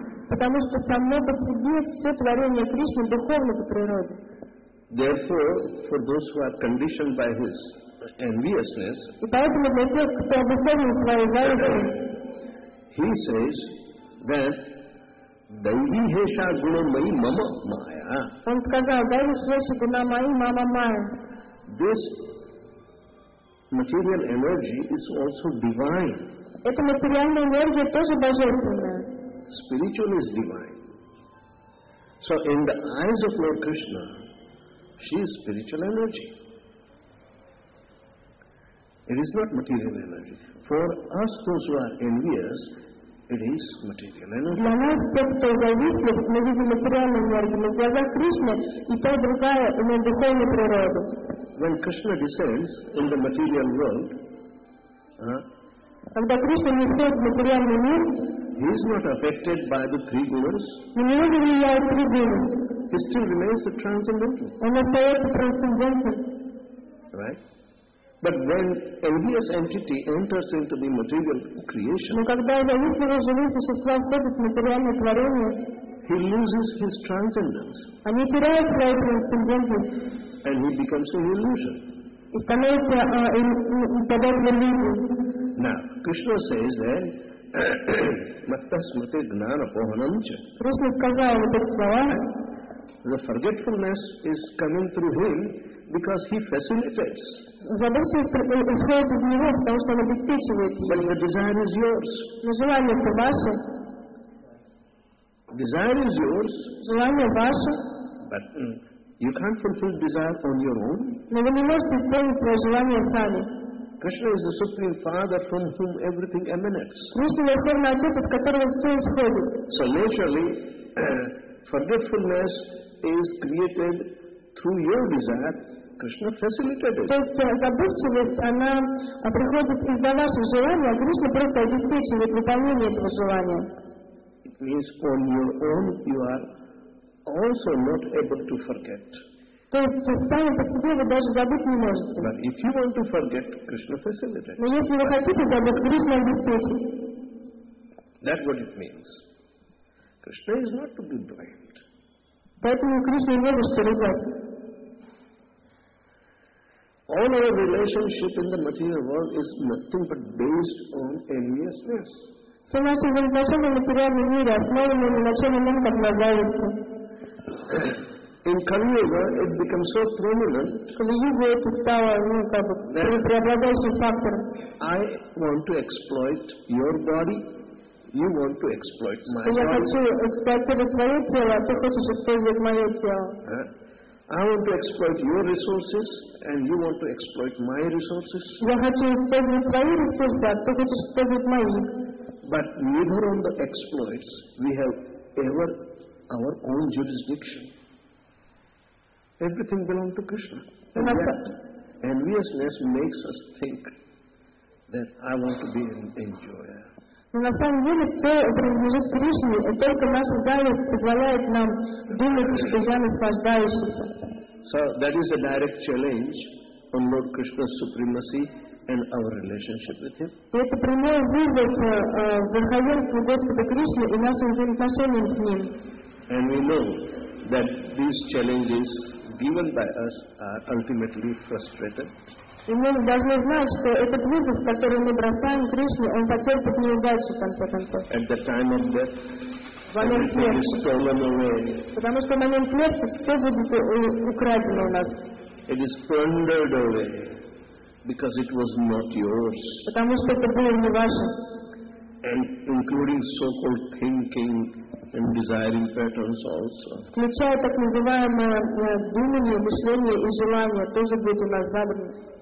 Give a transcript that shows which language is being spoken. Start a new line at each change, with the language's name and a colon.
Russian: Потому что само по себе все творение Кришны духовно по природе.
English: Therefore, for those who are conditioned by his enviousness,
Russian: и поэтому для тех, кто обусловлен своей завистью,
English: he says that
Sanskrit: daihi hesha guna mai mama maya.
Russian: Он сказал,
Sanskrit: daihi hesha guna mai mama maya.
English: This material energy is also divine.
Russian: Эта материальная энергия тоже божественная.
English: Spiritual is divine. So in the eyes of Lord Krishna, she is spiritual energy. It is not material energy. For us, those who are envious, it is material energy.
Russian: Для нас, тех, кто зависит, мы видим материальную энергию, но в глазах Кришны и та, и другая, имеет духовную природу.
English: When Krishna descends in the material world,
Russian: когда Кришна несет материальный мир,
English: he is not affected by the three gunas.
Russian: Не может влиять три гуны.
English: He still remains the transcendental. Right? But when envious entity enters into the material creation,
Russian: но когда зависимое живое существо входит в материальное творение,
English: he loses his transcendence.
Russian: Они теряют свою трансцендентность.
English: And he becomes an illusion.
Russian: И становится подобным иллюзиям.
English: Now, Krishna says that
Sanskrit: matasmate gnana pohanam cha.
Russian: Krishna сказал вот эти слова.
English: The forgetfulness is coming through him because he facilitates.
Russian: Забывчивость исходит из него, потому что он обеспечивает.
English: But the desire is yours.
Russian: Но желание это ваше.
English: Desire is yours.
Russian: Желание ваше.
English: But you can't fulfill desire on your own.
Russian: Но вы не можете исполнить свое желание сами.
English: Krishna is the supreme father from whom everything emanates.
Russian: Krishna Верховный Отец, из которого все исходит.
English: So naturally, forgetfulness is created through your desire. Krishna facilitated it.
Russian: То есть забывчивость, она приходит из-за вашего желания, а Кришна просто обеспечивает выполнение этого желания.
English: It means on your own you are also not able to forget.
Russian: То есть сами по себе вы даже забыть не можете.
English: But if you want to forget, Krishna facilitates.
Russian: Но если вы хотите забыть, Кришна обеспечит.
English: That's what it means. Krishna is not to be blamed.
Russian: Поэтому Кришна не за что ругать.
English: All our relationship in the material world is nothing but based on enviousness.
Russian: Все наши отношения в материальном мире основаны ни на чем ином, как на зависти.
English: In Kali Yuga, it becomes so prominent.
Russian: Kali Yuga это стало, ну как бы, преобладающим фактором.
English: I want to exploit your body. You want to exploit my body.
Russian: Я хочу эксплуатировать твое тело, а ты хочешь использовать мое тело.
English: I want to exploit your resources and you want to exploit my resources.
Russian: Я хочу использовать твои ресурсы, а ты хочешь использовать мои.
English: But neither on the exploits we have ever our own jurisdiction. Everything belongs to Krishna. And enviousness makes us think that I want to be an enjoyer.
Russian: Но на самом деле все принадлежит Кришне, и только наша зависть позволяет нам думать, что я наслаждающийся.
English: So that is a direct challenge on Lord Krishna's supremacy and our relationship with Him.
Russian: Это прямой вызов верховенству Господа Кришны и нашим взаимоотношениям с Ним.
English: And we know that these challenges given by us are ultimately frustrated.
Russian: И мы должны знать, что этот вызов, который мы бросаем Кришне, он потерпит неудачу в конце концов.
English: At the time of death,
Russian: потому что в момент смерти все будет украдено у нас.
English: It is plundered away because it was not yours.
Russian: Потому что это было не ваше.
English: And including so-called thinking and desiring patterns also.
Russian: Включая так называемое думание, мышление и желание тоже будет у нас забрано.